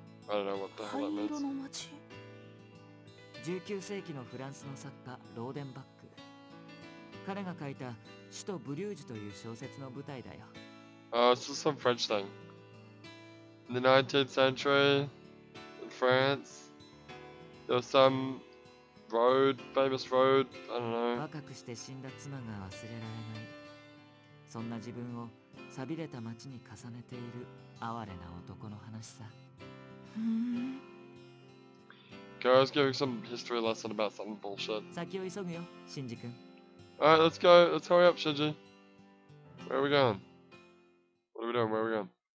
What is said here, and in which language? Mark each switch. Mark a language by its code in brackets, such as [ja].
[en] I don't know what the hell that means. [ja] 19世紀のフランスの作家ローデンバック。彼が書いた首都ブリュージュという小説の舞台だよ。 [en] It's just some French thing. In the 19th century, in France, there was some road, famous road, I don't know. [ja] 若くして死んだ妻が忘れられない。そんな自分を寂れた町に重ねている哀れな男の話さ。 [en] Kaworu's giving some history lesson about some bullshit. [ja] 先を急ぐよ、シンジ君。 [en] Alright, let's go. Let's hurry up, Shinji. Where are we going? What are we doing? Where are we going?